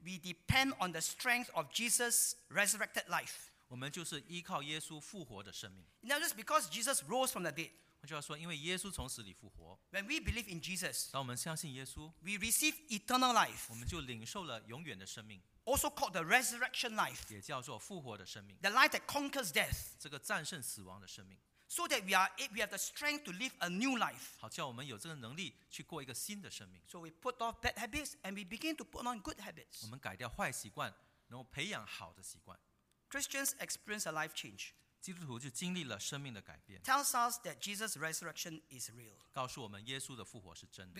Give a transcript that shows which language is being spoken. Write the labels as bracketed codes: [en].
[en] We depend on the strength of Jesus' resurrected life. [zh] 我们就是依靠耶稣复活的生命。 [en] Now, just because Jesus rose from the dead. [zh] 就要说因为耶稣从死里复活, [en] when we believe in Jesus, [zh] 当我们相信耶稣, [en] we receive eternal life, [zh] 我们就领受了永远的生命, [en] also called the resurrection life, [zh] 也叫做复活的生命, [en] the life that conquers death, [zh] 这个战胜死亡的生命, [en] so that we have the strength to live a new life, [zh] 好叫我们有这个能力去过一个新的生命, [en] so we put off bad habits and we begin to put on good habits, [zh] 我们改掉坏习惯, 然后培养好的习惯, [en] Christians experience a life change. [zh] 基督徒就经历了生命的改变。 [en] Tells us that Jesus' resurrection is real. [zh] 告诉我们耶稣的复活是真的。